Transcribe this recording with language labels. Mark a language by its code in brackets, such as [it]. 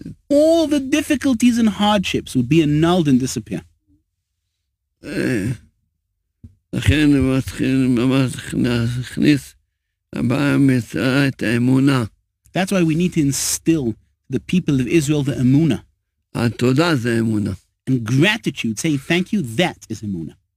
[en] All the difficulties and hardships would be annulled and disappear. [he] לכן מתחיל ממש להכניס בעם ישראל את האמונה. [en] That's why we need to instill the people of Israel the אמונה. [he] התודה זה אמונה. [en] And gratitude, say thank you, that is אמונה.